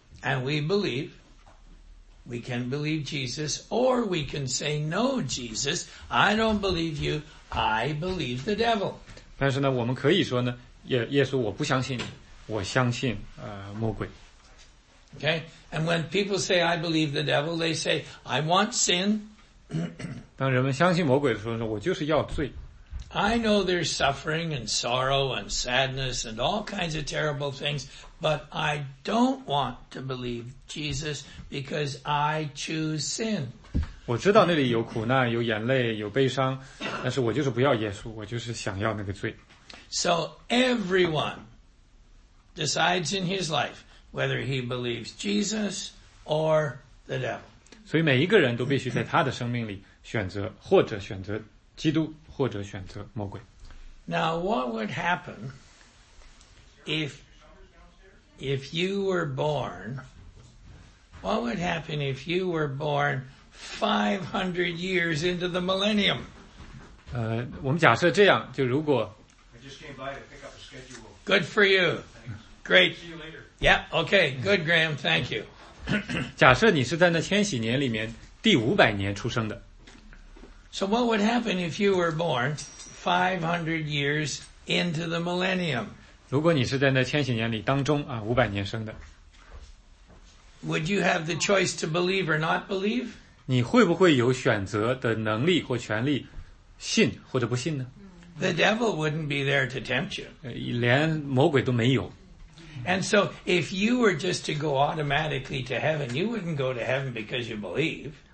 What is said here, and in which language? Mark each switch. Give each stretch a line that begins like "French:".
English: And we believe, we can believe Jesus, or we can say, no, Jesus, I don't believe you, I believe the devil.
Chinese: 但是呢，我们可以说呢，耶稣，我不相信你，我相信魔鬼。
English: Okay, and when people say, I believe the devil, they say, I want sin.
Chinese: 当人们相信魔鬼的时候呢，我就是要罪。
English: I know there's suffering and sorrow and sadness and all kinds of terrible things, but I don't want to believe Jesus because I choose sin.
Chinese: 我知道那里有苦难，有眼泪，有悲伤，但是我就是不要耶稣，我就是想要那个罪。
English: So everyone decides in his life whether he believes Jesus or the devil.
Chinese: 所以每一个人都必须在他的生命里选择，或者选择基督，或者选择魔鬼。
English: Now, what would happen if you were born? What would happen if you were born 500 years into the millennium?
Chinese: 我们假设这样，就如果。
English: I just came by to pick up a schedule. Good for you. Thanks. Great. See you later. Yeah. Okay. Good, Graham. Thank you.
Chinese: 假设你是在那千禧年里面第五百年出生的。
English: So what would happen if you were born 500 years into the millennium?
Chinese: 如果你是在那千禧年里当中啊，五百年生的。
English: Would you have the choice to believe or not believe?
Chinese: 你会不会有选择的能力或权利信或者不信呢？
English: The devil wouldn't be there to tempt you.
Chinese: 连魔鬼都没有。
English: And so if you were just to go automatically to heaven, you wouldn't go to heaven because you believe.